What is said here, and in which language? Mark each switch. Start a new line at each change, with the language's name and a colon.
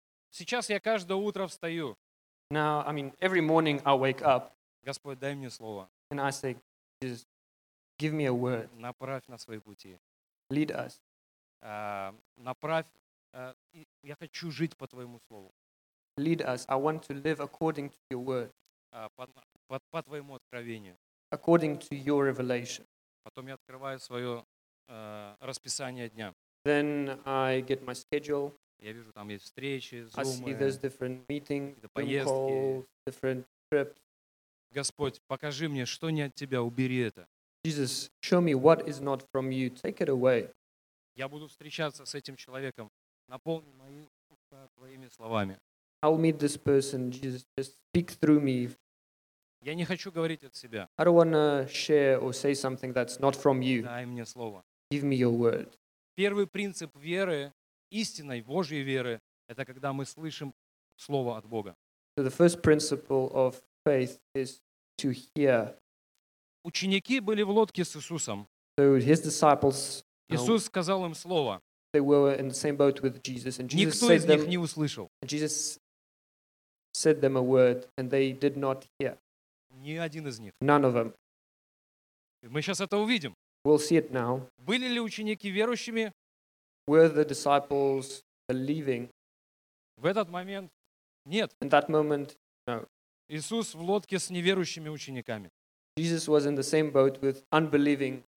Russian: Сейчас я каждое утро встаю.
English: Now, I mean, every morning I wake up.
Russian: Господь, дай мне слово.
English: And I say, Jesus, Give me a word.
Russian: Направь на свои пути.
English: Lead us.
Russian: Направь, я хочу жить по твоему слову.
English: Lead us. I want to live according to your word.
Russian: По твоему откровению.
English: According to your revelation.
Russian: Потом я открываю свое расписание дня.
English: Then I get my schedule.
Russian: Я вижу, там есть встречи, зумы.
English: I see there's different meetings, Zoom calls, different trips.
Russian: Господь, покажи мне, что не от тебя, убери это.
English: Jesus, show me what is not from you. Take it away.
Russian: Я буду встречаться с этим человеком. Наполни мои уста твоими словами.
English: I'll meet this person, Jesus. Just speak through me.
Russian: Я не хочу говорить от себя.
English: I don't want to share or say something that's not from you.
Russian: Дай мне слово.
English: Give me your word.
Russian: Первый принцип веры, истинной Божьей веры, это когда мы слышим слово от Бога.
English: So the first principle of faith is to hear.
Russian: Ученики были в лодке с Иисусом.
English: So his disciples.
Russian: Иисус сказал им слово.
English: They were in the same boat with Jesus, and Jesus
Russian: никто из них не услышал.
English: And Jesus said them a word, and they did not hear.
Russian: Ни один из них.
English: None of them.
Russian: Мы сейчас это увидим.
English: We'll see it now.
Russian: Были ли ученики верующими?
English: Were the disciples believing?
Russian: В этот момент нет.
English: In that moment, no.
Russian: Иисус в лодке с неверующими учениками.
English: Jesus was in the same boat with unbelieving disciples.